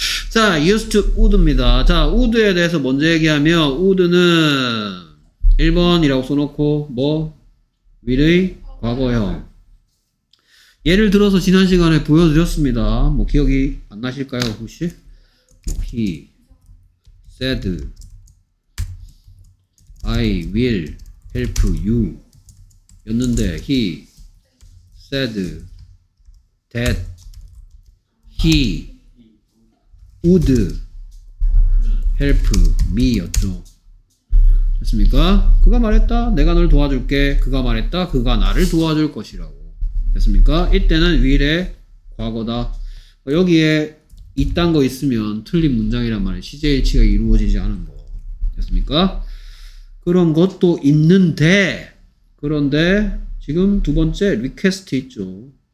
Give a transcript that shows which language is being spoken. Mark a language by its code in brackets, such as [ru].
[ko] 자, used to would입니다. 자, would에 대해서 먼저 얘기하면 would는 1번이라고 써놓고 뭐 will의 과거형. 예를 들어서 지난 시간에 보여드렸습니다. 뭐 기억이 안 나실까요, 혹시? [en] He said I will help you [ko] 였는데 [en] he said that he would help me [ko] 였죠. 됐습니까? 그가 말했다. 내가 널 도와줄게. 그가 말했다. 그가 나를 도와줄 것이라고. 됐습니까? 이때는 will의 과거다. 여기에 이딴 거 있으면 틀린 문장이란 말이에요. 시제 일치가 이루어지지 않은 거. 됐습니까? 그런 것도 있는데, 그런데 지금 두 번째 request 있죠.